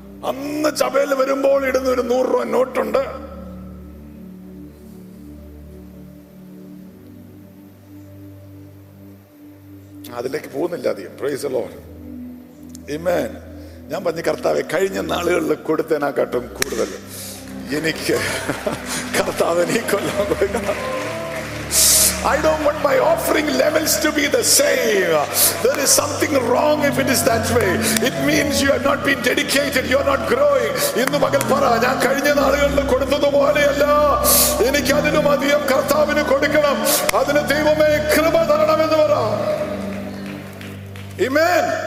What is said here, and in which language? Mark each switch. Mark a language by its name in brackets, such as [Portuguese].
[Malayalam] അന്ന് ചബയിൽ വരുമ്പോൾ ഇടുന്ന ഒരു 100 രൂപ നോട്ടുണ്ട്, അതിലേക്ക് പോകുന്നില്ല അധികം. [English] praise the lord, [Malayalam] ആമേൻ. ഞാൻ പറഞ്ഞു കർത്താവെ, കഴിഞ്ഞ നാളുകളിൽ കൊടുത്തതിനെക്കാട്ടും കൂടുതൽ എനിക്ക് കർത്താവിനെ കൊല്ലാൻ പോകുന്നു. [English] I don't want my offering levels to be the same. There is something wrong if it is that way. It means you have not been dedicated. You are not growing. [Malayalam] ഇന്ന് പകൽ പറ, ഞാൻ കഴിഞ്ഞ നാളുകളിൽ കൊടുത്തതുപോലെയല്ല, എനിക്ക് അതിനും അധികം കർത്താവിന് കൊടുക്കണം, അതിന് ദൈവമേ കൃപ തരണം എന്ന് പറ. ആമേൻ.